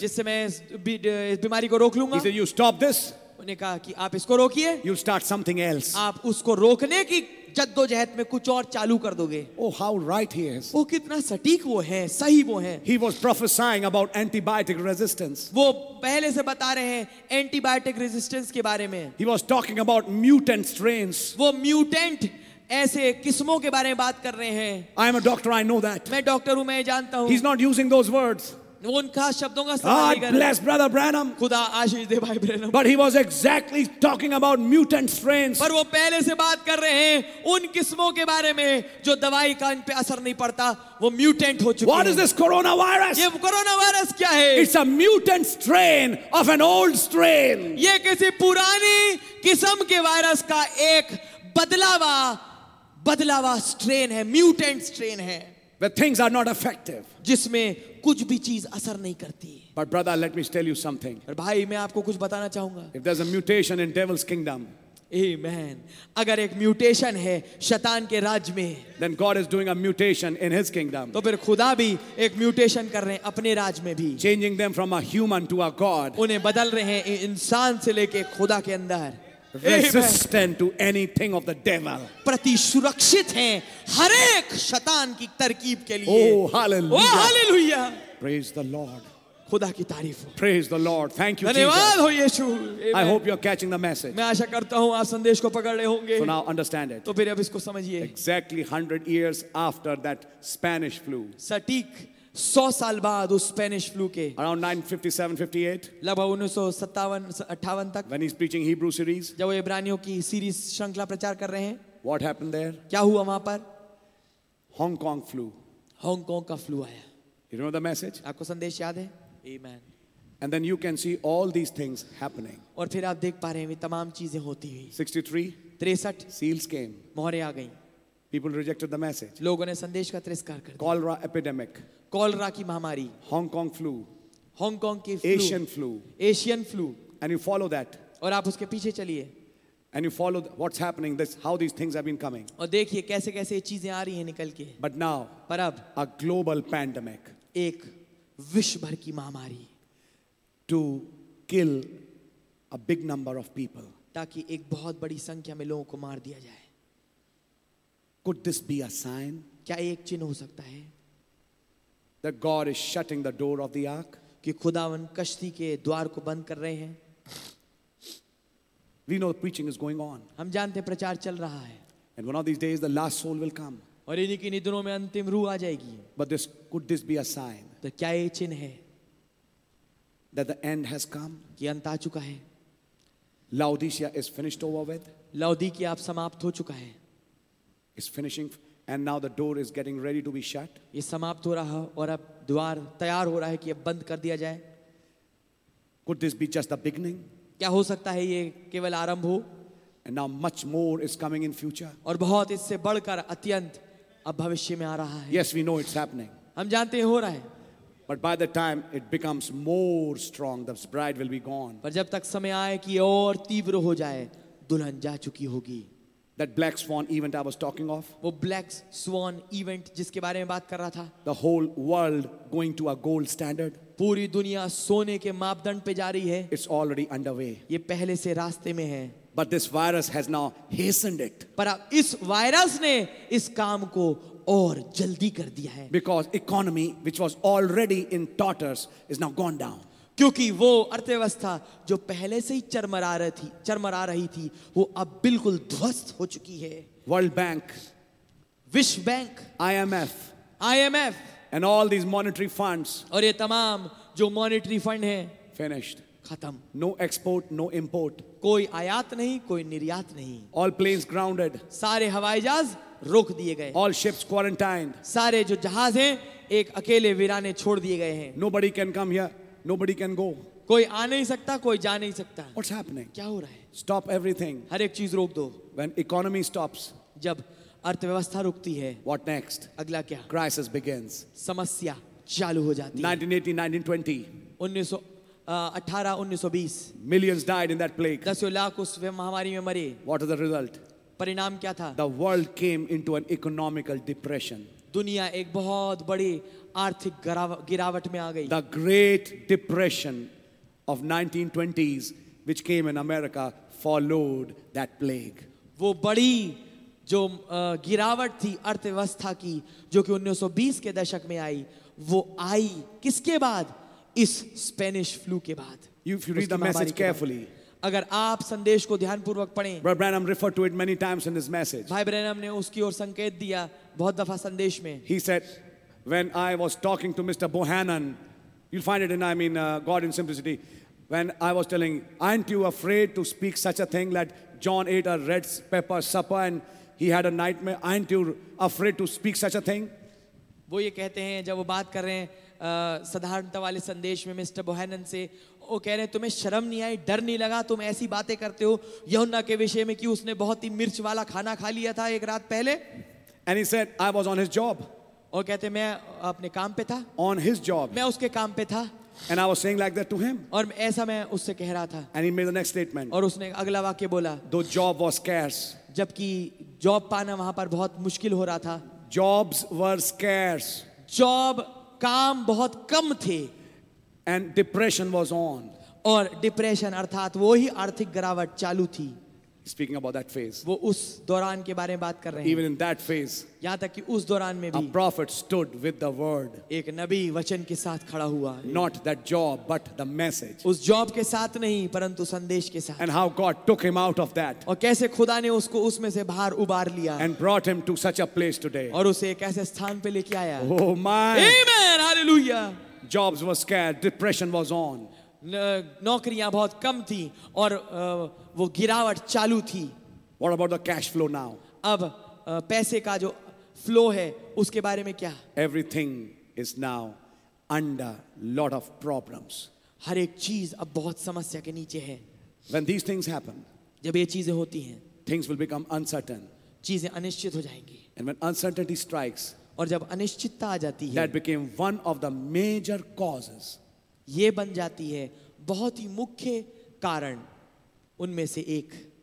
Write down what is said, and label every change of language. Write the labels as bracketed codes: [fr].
[hi] जिससे मैं इस बीमारी को रोक लूंगा [en] He said, you stop this. [hi] उन्हें कहा कि आप इसको रोकिए [en] You start something else. [hi] आप उसको रोकने की जद्दोजहद में कुछ और चालू कर दोगे [en] Oh, how right he is. [hi] वो कितना सटीक वो है सही वो है [en] He was prophesying about antibiotic resistance. [hi] वो पहले से बता रहे हैं एंटीबायोटिक रेजिस्टेंस के बारे में [en] He was talking about mutant strains. [hi] वो म्यूटेंट ऐसे किस्मों के बारे में बात कर रहे हैं [en] I am a doctor, I know that. [hi] मैं डॉक्टर हूं मैं जानता हूं [en] He's not using those words. [hi] वो उन खास शब्दों का [en] God bless brother Branham. [hi] खुदा आशीष दे भाई Branham. [en] But he was exactly talking about mutant strains. [hi] पर वो पहले से बात कर रहे हैं उन किस्मों के बारे में जो दवाई का इन पे असर नहीं पड़ता वो म्यूटेंट हो चुके [en] What is this coronavirus? [hi] ये coronavirus क्या है? [en] It's a mutant strain of an old strain. [hi] ये किसी पुरानी किस्म के वायरस का एक बदलावा बदलावा स्ट्रेन है म्यूटेंट स्ट्रेन है [en] Where things are not effective. [hi] जिसमें कुछ भी चीज असर नहीं करती [en] But brother, let me tell you something. [hi] और भाई मैं आपको कुछ बताना चाहूंगा [en] If there's a mutation in devil's kingdom, Amen. [hi] अगर एक म्यूटेशन है शतान के राज में [en] Then God is doing a mutation in his kingdom. [hi] तो फिर खुदा भी एक म्यूटेशन कर रहे हैं अपने राज में भी [en] Changing them from a human to a God. [hi] उन्हें बदल रहे हैं इंसान से लेके खुदा के अंदर [en] Resistant to anything of the devil. [hi] प्रति सुरक्षित हैं हर एक शतान की तरकीब के लिए. [en] Oh hallelujah! Oh hallelujah! Praise the Lord. [hi] खुदा की तारीफ हो. [en] Praise the Lord. Thank you. [hi] धन्यवाद हो यीशु. [en] I hope you are catching the message. [hi] मैं आशा करता हूँ आप संदेश को पकड़ रहे होंगे. [en] So now understand it. [hi] तो फिर अब इसको समझिए. [en] Exactly 100 years after that Spanish flu. [hi] सटीक 100 साल बाद उस स्पेनिश फ्लू के [en] around 957-58 [hi] लगभग 1957-58 तक [en] when he is preaching Hebrew series [hi] जब वो इब्रानियों की सीरीज श्रृंखला प्रचार कर रहे हैं [en] what happened there [hi] क्या हुआ वहां पर [en] Hong Kong flu [hi] हांगकांग का फ्लू आया [en] you remember the message [hi] आपको संदेश याद है आमेन [en] and then you can see all these things happening [hi] और फिर आप देख पा रहे हैं ये तमाम चीजें होती हुई [en] 63 seals came [hi] मोहरे आ गई [en] People rejected the message. [hi] लोगों ने संदेश का तिरस्कार कर दिया. [en] Cholera epidemic. [hi] Cholera की महामारी. [en] Hongkong flu. [hi] Hongkong के flu. [en] Asian flu. Asian flu. And you follow that. [hi] और आप उसके पीछे चलिए. [en] And you follow what's happening. This how these things have been coming. [hi] और देखिए कैसे-कैसे ये चीजें आ रही हैं निकल के. [en] But now. [hi] पर अब. [en] A global pandemic. [hi] एक विश्व भर की महामारी. [en] To kill a big number of people. [hi] ताकि एक बहुत बड़ी संख्या में लोगों को मार दिया जाए. [en] Could this be a sign? [hi] क्या एक चिन्ह हो सकता है? [en] That God is shutting the door of the ark? [hi] कि खुदावन कश्ती के द्वार को बंद कर रहे हैं? [en] We know the preaching is going on. [hi] हम जानते हैं प्रचार चल रहा है. [en] And one of these days, the last soul will come. [hi] और इन्हीं की निदरों में अंतिम रूह आ जाएगी. [en] But this could this be a sign? [hi] तो क्या ये चिन्ह है? [en] That the end has come. [hi] कि अंत आ चुका है. [en] Laodicea is finished over with. [hi] लौदीकिया अब समाप्त हो चुका है. [en] Is finishing and now the door is getting ready to be shut. [hi] ये समाप्त हो रहा है और अब द्वार तैयार हो रहा है कि अब बंद कर दिया जाए. [en] Could this be just the beginning? [hi] क्या हो सकता है ये केवल आरंभ हो? [en] And now much more is coming in future. [hi] और बहुत इससे बढ़कर अत्यंत अब भविष्य में आ रहा है. [en] Yes, we know it's happening. [hi] हम जानते हैं हो रहा है. [en] But by the time it becomes more strong, the bride will be gone. [hi] पर जब तक समय आए कि और तीव्र हो जाए, दुल्हन जा चुकी होगी. [en] That black swan event I was talking of. [hi] वो [en] black swan event [hi] जिसके बारे में बात कर रहा था. [en] The whole world going to a gold standard. [hi] पूरी दुनिया सोने के मापदंड पे जा रही है. [en] It's already underway. [hi] ये पहले से रास्ते में है. [en] But this virus has now hastened it. [hi] पर अब इस वायरस ने इस काम को और जल्दी कर दिया है. [en] Because economy which was already in tatters is now gone down. [hi] क्योंकि वो अर्थव्यवस्था जो पहले से ही चरमरा रही थी वो अब बिल्कुल ध्वस्त हो चुकी है. [en] world bank, [hi] विश्व bank, [en] IMF and all these monetary funds, [hi] और ये तमाम जो मॉनेटरी फंड है, [en] finished, [hi] खत्म. [en] no export, no import, [hi] कोई आयात नहीं, कोई निर्यात नहीं. [en] all planes grounded, [hi] सारे हवाई जहाज रोक दिए गए. [en] all ships quarantine, [hi] सारे जो जहाज हैं एक अकेले वीराने छोड़ दिए गए हैं. [en] Nobody can come here, Nobody can go. [hi] कोई आ नहीं सकता, कोई जा नहीं सकता. [en] What's happening? [hi] क्या हो रहा है? [en] Stop everything. [hi] हर एक चीज रोक दो. [en] When economy stops. [hi] जब अर्थव्यवस्था रुकती है. [en] What next? [hi] अगला क्या? [en] Crisis begins. [hi] समस्या चालू हो जाती है. [en] 1918, 1920. [hi] 1918-1920. [en] Millions died in that plague. [hi] दसों लाख उस महामारी में मरे. [en] What is the result? [hi] परिणाम क्या था? [en] The world came into an economical depression. [hi] दुनिया एक बहुत बड़ी आर्थिक गिरावट में आ गई. [en] The Great Depression of 1920s, which came in America, followed that plague. [hi] वो बड़ी जो गिरावट थी अर्थव्यवस्था की, जो कि 1920 के दशक में आई, वो आई किसके बाद? इस स्पेनिश फ्लू के बाद. [en] If you read the message carefully. [hi] अगर आप संदेश को ध्यानपूर्वक पढ़ें, [en] Brother Branham referred to it many times in his message. [hi] भाई ब्रैनम ने उसकी ओर संकेत दिया बहुत दफा संदेश में. [en] He said, when I was talking to Mr. Bohannon, you'll find it in, God in Simplicity, when I was telling, aren't you afraid to speak such a thing that John ate a red pepper supper and he had a nightmare? Aren't you afraid to speak such a thing? [hi] वो ये कहते हैं जब वो बात कर रहे हैं साधारणता वाले संदेश में मिस्टर बोहेनन से, वो कह रहे हैं तुम्हें शर्म नहीं आई, डर नहीं लगा, तुम ऐसी बातें करते हो यहुन्ना के विषय में कि उसने बहुत ही मिर्च वाला खाना खा लिया था एक रात पहले. [en] And he said, I was on his job. [hi] और कहते मैं अपने काम पे था. [en] On his job. [hi] मैं उसके काम पे था. [en] And I was saying like that to him. [hi] और ऐसा मैं उससे कह रहा था. [en] And he made the next statement. [hi] और उसने अगला वाक्य बोला. [en] Though job was scarce. [hi] जबकि जॉब पाना वहां पर बहुत मुश्किल हो रहा था. [en] Jobs were scarce. [hi] जॉब काम बहुत कम थे. [en] And depression was on. [hi] और डिप्रेशन अर्थात वो ही आर्थिक गिरावट चालू थी. [en] Speaking about that phase. [hi] वो उस दौरान के बारे में बात कर रहे हैं. [en] Even in that phase. [hi] यहाँ तक कि उस दौरान में भी. [en] A prophet stood with the word. [hi] एक नबी वचन के साथ खड़ा हुआ. [en] Not that job, but the message. [hi] उस जॉब के साथ नहीं, परंतु संदेश के साथ. [en] And how God took him out of that. [hi] और कैसे खुदा ने उसको उसमें से बाहर उबार लिया. [en] And brought him to such a place today. [hi] और उसे एक ऐसे स्थान पे लेके आया. [en] Oh my. Amen. Hallelujah. Jobs were scarce. Depression was on. [hi] नौकरियां बहुत कम थी और वो गिरावट चालू थी. [en] What about the cash flow now? [hi] अब पैसे का जो फ्लो है उसके बारे में क्या? [en] Everything is now under lot of problems. [hi] हर एक चीज अब बहुत समस्या के नीचे है. [en] When these things happen, [hi] जब ये चीजें होती हैं, [en] things will become uncertain. [hi] चीजें अनिश्चित हो जाएंगी. [en] And when uncertainty strikes, [hi] और जब अनिश्चितता आ जाती है, [en] that became one of the major causes. [hi] ये बन जाती है बहुत ही मुख्य कारण उनमें से एक.